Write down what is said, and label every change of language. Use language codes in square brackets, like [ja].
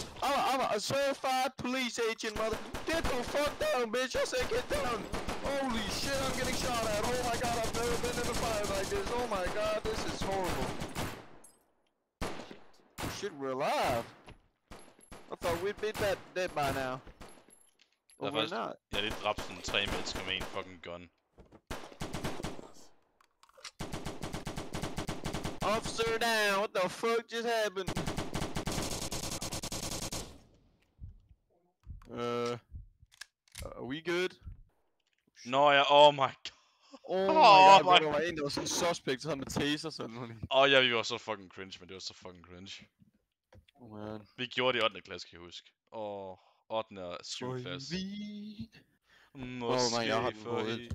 [en] I'm a certified police agent, mother. Get the fuck down, bitch! I said get down! Holy shit, I'm getting shot at! Oh my god, I've never been in a fire like this! Oh my god, this is horrible! Shit, we're alive! I thought we'd be dead by now. Or we're not. [da] Jeg lige dræbte sådan 3 mennesker med en fucking gun. [en] Officer down, what the fuck just happened? Are we good? [da] Nå ja, [en] oh my god. Oh my god, [da] der var en, der var sådan en suspect, der havde med taser sådan noget. Åh ja, vi var så fucking cringe, men det var så fucking cringe. [en] Oh man. [da] Vi gjorde det i 8. klasse, kan jeg huske. Åh, 8. og 7. klasse. Vi... Måske [en] oh my god, [da] for i...